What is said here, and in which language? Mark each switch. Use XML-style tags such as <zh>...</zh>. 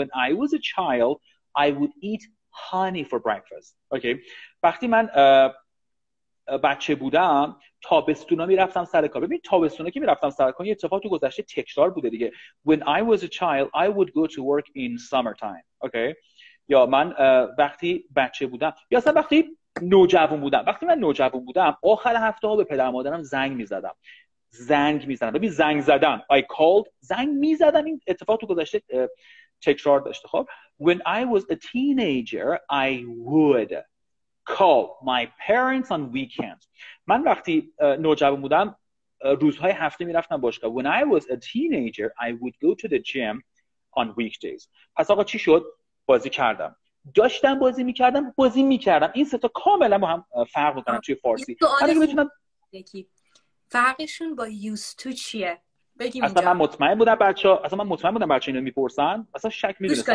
<en>When I was a child I would eat honey for breakfast.</en> <fa>اوکی وقتی من بچه بودم تابستونا میرفتم سر کار. ببین تابستونا که میرفتم سر کار یه اتفاق تو گذشته تکرار بوده دیگه.</fa> <en>When I was a child I would go to work in summertime.</en> <fa>اوکی okay. یا من وقتی بچه بودم یا اصلا وقتی نوجوان بودم، وقتی من نوجوان بودم آخر هفته ها به پدر مادرم زنگ میزدم. زنگ میزدم، ببین زنگ زدم</fa> <en>I called،</en> <fa>زنگ میزدم، این اتفاق تو گذشته تکرار داشته.</fa> <en>خب When I was a teenager I would call my parents on weekends.</en> <fa>من وقتی نوجوان بودم روزهای هفته میرفتم باشگاه.</fa> <en>When I was a teenager I would go to the gym on weekdays.</en> <fa>پس آقا چی شد؟ بازی کردم، داشتم بازی میکردم، بازی میکردم. این سه تا کاملا با هم فرق میکنن توی فارسی. حالا اگه بتونم فرقشون با used to چیه بگیم اینجا. اصلا من مطمئن بودم بچه ها، اصلا من مطمئن بودم بچه ها اینو میپرسن، اصلا شک میدونستم</fa>